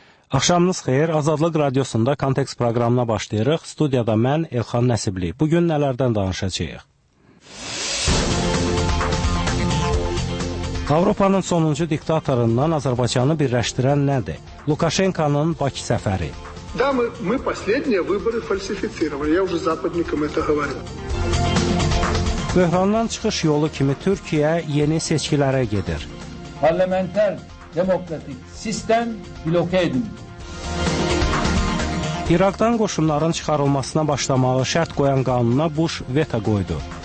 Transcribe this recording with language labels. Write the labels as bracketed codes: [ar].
[az] Axşamınız xeyir, Azadlıq Radiosunda Kontekst proqramına başlayırıq. Studiyada mən, Elxan Nəsibli. Bugün nələrdən danışacağıq? Avropanın sonuncu diktatorundan Azərbaycanı birləşdirən nədir? Lukaşenkanın Bakı səfəri. [ru] Да, мы последние выборы фальсифицировали. Я уже западникам это говорил. [az] Böhrandan çıxış yolu kimi Türkiyə yeni seçkilərə gedir. Parlamenter demokratik sistem bloke edilmiş. İraqdan qoşunların çıxarılmasına başlamağı şərt qoyan qanuna Bush veto qoydu.